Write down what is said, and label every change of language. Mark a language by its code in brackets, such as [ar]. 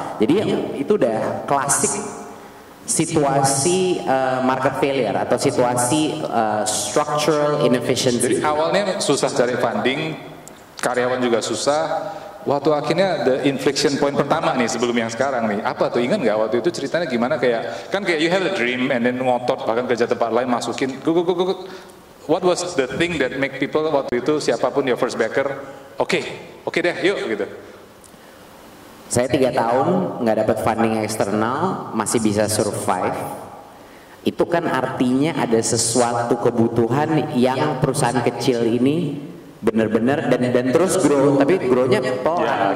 [id] Jadi itu udah klasik. Situasi [en] market failure [id] atau situasi [en] structural inefficiency. [id] Jadi awalnya susah cari funding, karyawan juga susah. Waktu akhirnya [en] the inflection point [id] pertama nih sebelum yang sekarang nih. Apa tuh, ingat gak waktu itu ceritanya gimana? Kayak kan kayak [en] you have a dream and then [id] ngotot bahkan kerja tempat lain masukin. [en] What was the thing that make people [id] waktu itu siapapun [en] your first backer? [id] Okay deh yuk gitu. Saya 3 tahun gak dapat funding eksternal, masih bisa survive. Itu kan artinya ada sesuatu kebutuhan yang perusahaan kecil ini benar-benar dan terus grow, tapi grow-nya pelan